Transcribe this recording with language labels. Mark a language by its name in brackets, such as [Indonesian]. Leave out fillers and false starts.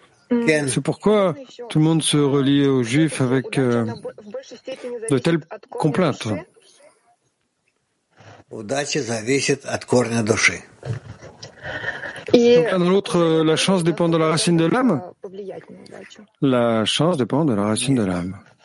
[French] C'est pourquoi tout le monde se relie aux Juifs avec de telles complaintes. [Russian] Удача зависит от корня души. [French] Donc, l'un dans l'autre, la chance dépend de la racine de l'âme? La chance dépend de la racine de l'âme.